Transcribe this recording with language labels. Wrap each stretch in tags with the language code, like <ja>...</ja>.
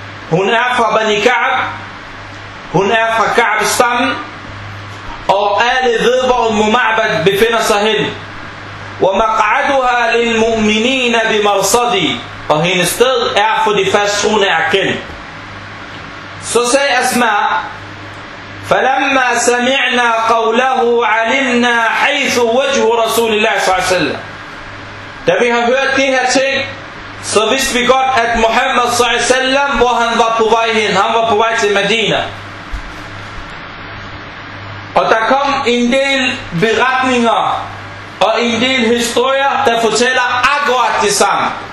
<da>Hun er fra bani Ka'b. Hun er fra Ka'b stam. Og alle ved, hvor Ummu Ma'bad befinder sig hen.</da> <ar>Wa maq'aduha lil mu'minin bi marsadi.</ar> <da>Og hendes sted er for de fast troende er kendt. Så sagde</da> <ar>Asma, فَلَمَّا سَمِعْنَا قَوْلَهُ عَلِمْنَا حَيْثُ وَجْهُ رَسُولِ اللَّهِ صَلَّى اللَّهُ عَلَيْهِ وَسَلَّمَ.</ar> <da>Da vi har hørt de her ting, så vidste vi godt, at Muhammad s.a.w., hvor han var på vej hen, han var på vej til Medina. Og der kom en del beretninger og en del historier, der fortæller akkurat det samme.</da>